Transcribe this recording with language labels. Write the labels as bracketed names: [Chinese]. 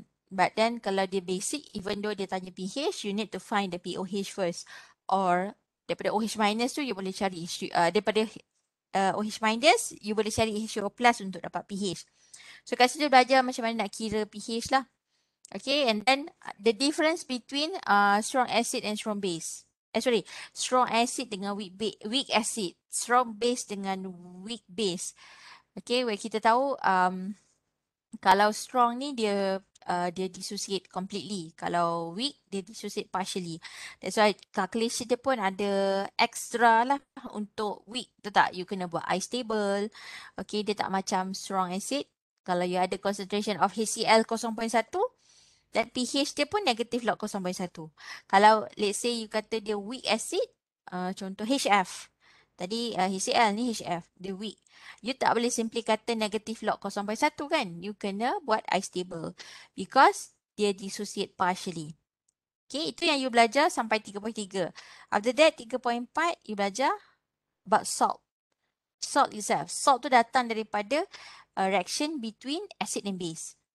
[English] But then kalau dia basic, even though dia tanya pH, you need to find the pOH first. [Malay] Or daripada OH minus tu, you boleh cari OH minus, you boleh cari H2O plus untuk dapat pH. So, kat situ belajar macam mana nak kira pH lah. [English] Okay, and then the difference between strong acid and strong base. Strong acid dengan weak acid. Strong base dengan weak base. [Malay] Okay, where kita tahu kalau strong ni dia dia dissociate completely. Kalau weak, dia dissociate partially. [English] That's why [Malay] calculation dia pun ada extra lah untuk weak. Tahu tak? You kena buat ice table. Okay, dia tak macam strong acid. Kalau you ada concentration of HCl 0.1, then pH dia pun negative log 0.1. Kalau let's say you kata dia weak acid, contoh HF. Tadi HCl ni HF, dia weak. You tak boleh simply kata negative log 0.1 kan? You kena buat ice table. Because dia dissociate partially. Okay, itu yang you belajar sampai 3.3. [English] After that, 3.4, you belajar about salt. Salt itself. Salt tu datang daripada reaction between acid and base.